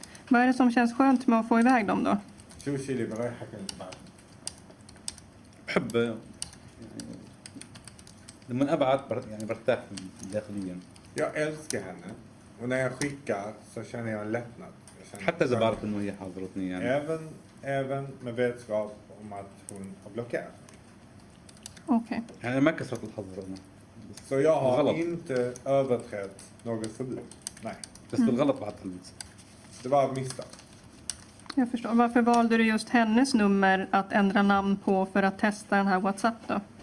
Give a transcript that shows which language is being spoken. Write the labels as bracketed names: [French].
[Arabic] ما هي [Swedish] som känns skönt med att få iväg dem då [Arabic] شو شي اللي بريحك انت بحب لما ابعث يعني برتاح داخليا [Swedish] يا älskar henne och när jag skickar så känner jag en lättnad [Arabic] حتى اذا بعرف انه هي حضرتني يعني [Swedish] even även med vetskap om att hon har blockerat. Okej. [English] Okay. [Swedish] Jag märker så att du har blockerat. Så jag har inte överträtt något förbud. Nej. Det skulle gälla på att det var misstag. Jag förstår. Varför valde du just hennes nummer att ändra namn på för att testa den här WhatsApp då?